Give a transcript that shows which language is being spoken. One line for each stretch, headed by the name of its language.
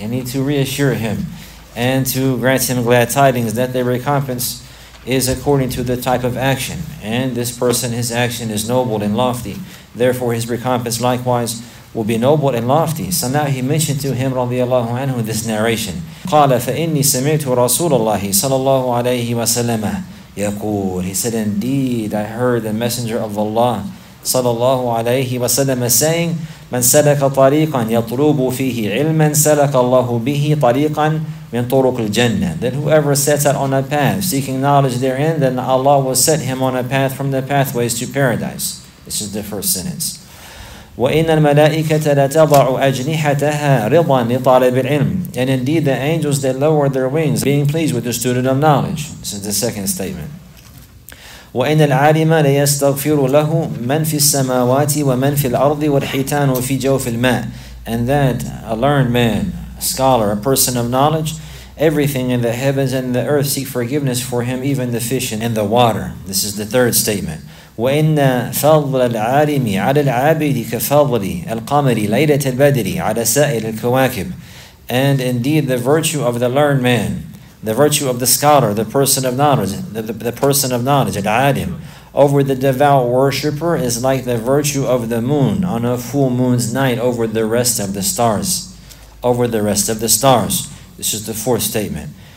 English: You need to reassure him and to grant him glad tidings that the recompense is according to the type of action. And this person, his action is noble and lofty. Therefore, his recompense likewise will be noble and lofty. So now he mentioned to him, رضي الله عنه, this narration.
Arabic: قَالَ فَإِنِّي سَمِعْتُ رَسُولَ اللَّهِ صَلَى اللَّهُ عَلَيْهِ وَسَلَّمَ يَقُولُ.
English: He said, "Indeed, I heard the Messenger of Allah
Arabic: صلى الله عليه وسلم
English: saying,
Arabic: من سلك طريقا يطلب فيه علما سلك الله به طريقا من طرق الجنة.
English: Then whoever sets out on a path seeking knowledge therein, then Allah will set him on a path from the pathways to paradise. This is the first sentence.
Arabic: وإن الملائكة لتضع أجنحتها رضا لطالب العلم.
English: And indeed the angels, they lower their wings being pleased with the student of knowledge. This is the second statement.
Arabic: وإن العالم لا يستغفر له من في السماوات ومن في الأرض والحيتان وفي جوف الماء.
English: And that a learned man, a scholar, a person of knowledge, everything in the heavens and the earth seek forgiveness for him, even the fish and the water. This is the third statement.
Arabic: وإن فضل العالم على العابد كفضل القمر ليلة البدر على سائر الكواكب.
English: And indeed the virtue of the learned man, the virtue of the scholar, the person of knowledge, the person of knowledge, al-alim, over the devout worshipper is like the virtue of the moon on a full moon's night over the rest of the stars. Over the rest of the stars. This is the fourth statement.